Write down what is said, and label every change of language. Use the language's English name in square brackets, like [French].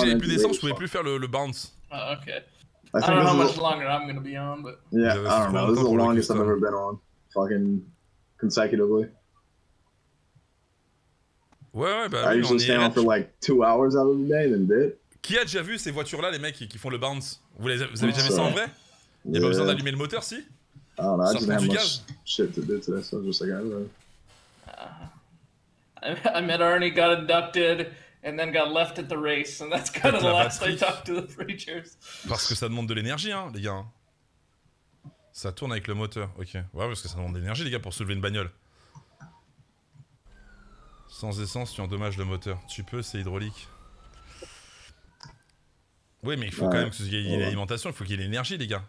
[English] Okay. I don't know how much longer I'm gonna be on, but yeah, I don't know. This is the longest I've ever been on, fucking consecutively. [French] Ouais, bah, [English] I usually stay on for like 2 hours out of the day, then bit. [French] Qui a déjà vu ces voitures-là, les mecs qui font le bounce? Vous avez jamais vu ça en vrai? Y'a pas besoin d'allumer le moteur, si? Oh, non, ça prend du gaz. [English] Shit to do today, so I'm just like, I don't know. I met Arnie, got inducted, and then got left at the race, and that's kind of the last I talked to the preachers. [French] Parce que ça demande de l'énergie, hein, les gars. Ça tourne avec le moteur, ok. Ouais, parce que ça demande de l'énergie, les gars, pour soulever une bagnole. Sans essence, tu endommages le moteur. Tu peux, c'est hydraulique. Oui, mais il faut quand même que ce soit l'alimentation, il faut qu'il y ait l'énergie, les gars.